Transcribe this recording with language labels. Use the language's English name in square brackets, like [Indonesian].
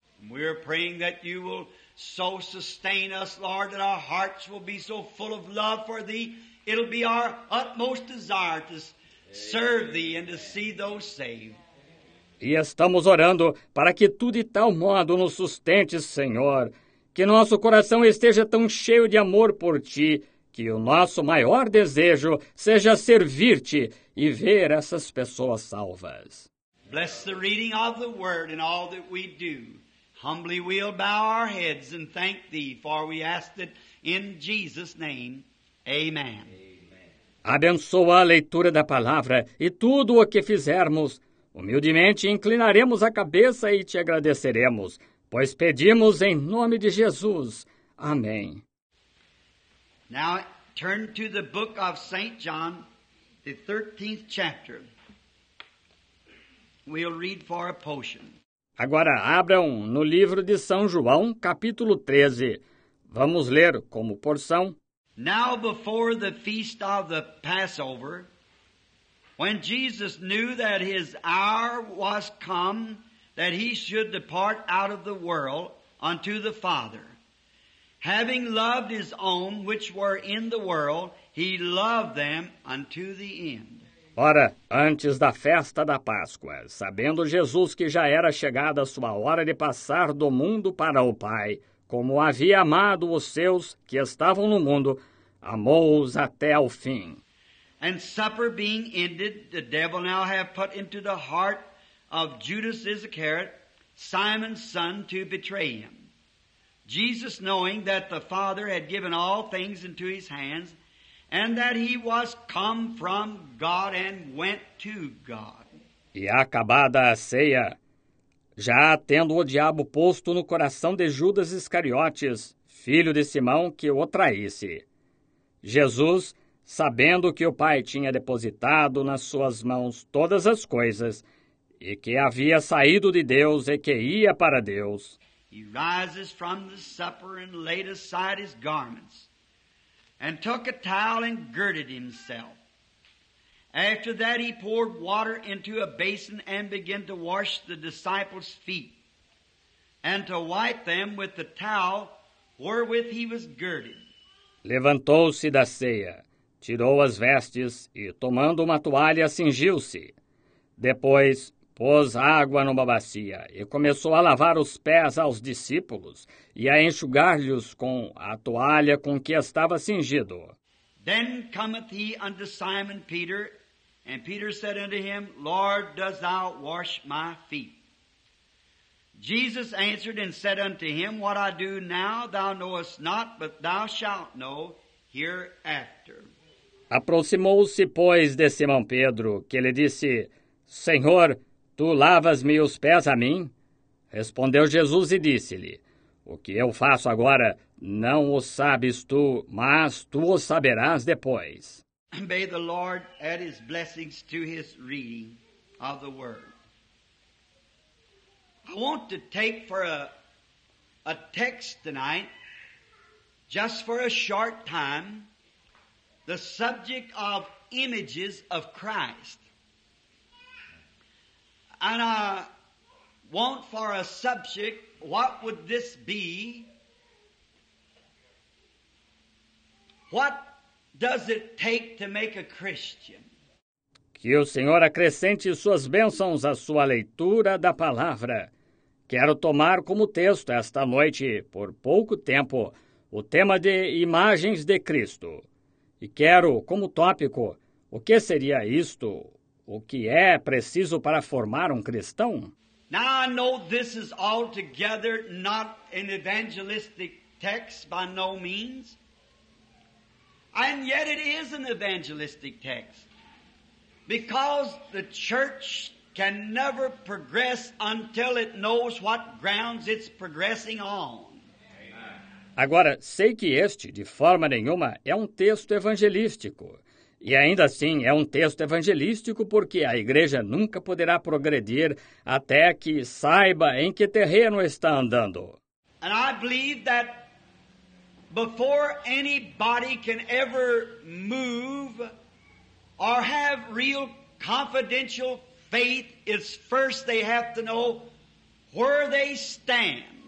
[English] We're praying that you will so sustain us, Lord, that our hearts will be so full of love for thee. It'll be our utmost desire to serve thee and to see those saved. [Portuguese] E estamos orando para que tu de tal modo nos sustentes, Senhor, que nosso coração esteja tão cheio de amor por ti, que o nosso maior desejo seja servir-te e ver essas pessoas salvas. [English] Bless the reading of the word and all that we do. Humbly we'll bow our heads and thank thee, for we ask it in Jesus' name. Amen. [Portuguese] Abençoa a leitura da palavra e tudo o que fizermos. Humildemente inclinaremos a cabeça e te agradeceremos, pois pedimos em nome de Jesus. Amém. [English] Now turn to the book of St. John, the 13th chapter. We'll read for a portion. [Portuguese] Agora abram no livro de São João, capítulo 13. Vamos ler como porção. [English] Now before the feast of the Passover, when Jesus knew that his hour was come, that he should depart out of the world unto the Father, having loved his own which were in the world, he loved them unto the end. [Portuguese] Ora, antes da festa da Páscoa, sabendo Jesus que já era chegada a sua hora de passar do mundo para o Pai, como havia amado os seus que estavam no mundo, amou-os até ao fim. [English] And supper being ended, the devil now hath put into the heart of Judas Iscariot, Simon's son, to betray him. Jesus, knowing that the Father had given all things into his hands, and that he was come from God and went to God. [Portuguese] E acabada a ceia, já tendo o diabo posto no coração de Judas Iscariotes, filho de Simão, que o traísse, Jesus, sabendo que o Pai tinha depositado nas suas mãos todas as coisas, e que havia saído de Deus e que ia para Deus, [English] he rises from the supper and laid aside his garments, and took a towel and girded himself. After that he poured water into a basin and began to wash the disciples' feet, and to wipe them with the towel wherewith he was girded. [Portuguese] Levantou-se da ceia, tirou as vestes, e tomando uma toalha, cingiu-se. Depois, pôs água numa bacia, e começou a lavar os pés aos discípulos, e a enxugar-lhes com a toalha com que estava cingido. [English] Then cometh he unto Simon Peter, and Peter said unto him, Lord, dost thou wash my feet? Jesus answered and said unto him, What I do now thou knowest not, but thou shalt know hereafter. [Portuguese] Aproximou-se, pois, de Simão Pedro, que lhe disse, Senhor, tu lavas-me os pés a mim? Respondeu Jesus e disse-lhe, O que eu faço agora, não o sabes tu, mas tu o saberás depois. [English] May the Lord add his blessings to his reading of the word. I want to take for a text tonight, just for a short time, the subject of images of Christ. And I want for a subject, what would this be? What does it take to make a Christian? [Portuguese] Que o Senhor acrescente suas bênçãos à sua leitura da palavra. Quero tomar como texto esta noite, por pouco tempo, o tema de imagens de Cristo. E quero, como tópico, o que seria isto? O que é preciso para formar um cristão? [English] Now I know this is altogether not an evangelistic text by no means. And yet it is an evangelistic text. Because the church can never progress until it knows what grounds it's progressing on. [Portuguese] Agora, sei que este, de forma nenhuma, é um texto evangelístico. E ainda assim, é um texto evangelístico porque a igreja nunca poderá progredir até que saiba em que terreno está andando. [English] And I believe that before anybody can ever move or have real confidential faith, it's first they have to know where they stand.